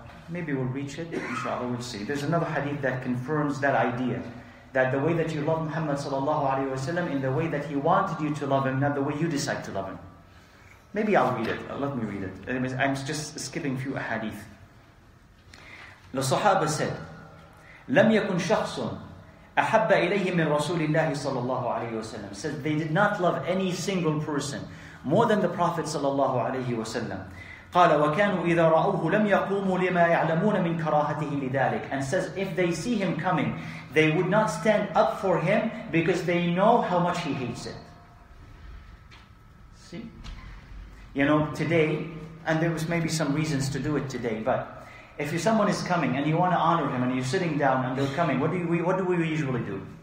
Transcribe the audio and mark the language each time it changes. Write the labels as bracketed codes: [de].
[en] Maybe we'll reach it, inshallah, we'll see. There's another hadith that confirms that idea. That the way that you love Muhammad sallallahu alayhi wa sallam in the way that he wanted you to love him, not the way you decide to love him. Maybe I'll read it. Let me read it. I'm just skipping a few hadith. The Sahaba said, [ar] لم يكن شخص أحب إليه من رسول الله صلى الله عليه وسلم. [en] Said they did not love any single person more than the Prophet [ar] صلى الله عليه وسلم. قال وكانوا إذا رأوه لم يقوموا لما يعلمون من كراهته لذلك. [en] And says if they see him coming, they would not stand up for him because they know how much he hates it. See? You know, today, and there was maybe some reasons to do it today, but if someone is coming and you want to honor him and you're sitting down and they're coming, what do we usually do?